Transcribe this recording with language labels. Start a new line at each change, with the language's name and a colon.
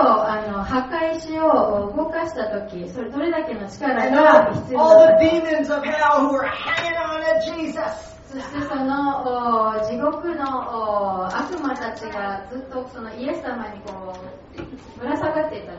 Japanese: 破壊石を動かした時、それどれだけの力が必要だったか。
English: All the demons of hell who were hanging on at Jesus.
Japanese: そしてその地獄の悪魔たちがずっとそのイエス様にこうぶら下がっていた。